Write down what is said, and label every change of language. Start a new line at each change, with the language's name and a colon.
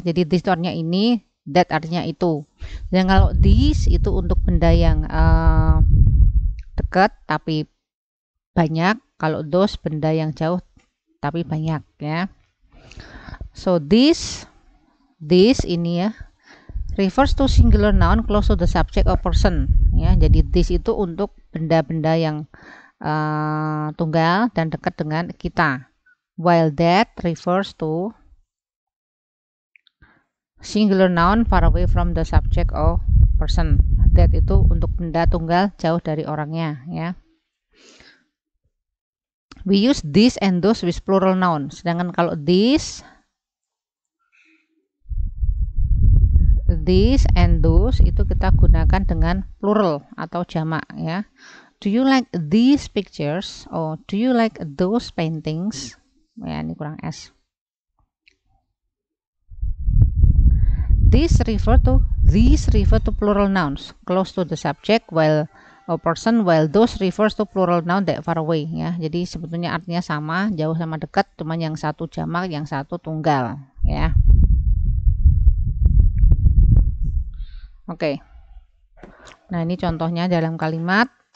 Indonesian: Jadi this artinya ini, that artinya itu. Dan kalau this itu untuk benda yang dekat tapi banyak, kalau those benda yang jauh tapi banyak ya.
English: So this ini ya, refers to singular noun close to the subject or person ya.
Indonesian: Jadi this itu untuk benda-benda yang tunggal dan dekat dengan kita.
English: While that refers to singular noun far away from the subject or person.
Indonesian: That itu untuk benda tunggal jauh dari orangnya, ya.
English: We use this and those with plural noun.
Indonesian: Sedangkan kalau this and those itu kita gunakan dengan plural atau jamak, ya.
English: Do you like these pictures or do you like those paintings?
Indonesian: Ya, ini kurang S.
English: These refer to plural nouns close to the subject while a person, while those refers to plural noun that far away.
Indonesian: Ya, jadi sebetulnya artinya sama, jauh sama dekat, cuma yang satu jamak, yang satu tunggal. Ya. Oke. Okay. Nah, ini contohnya dalam kalimat.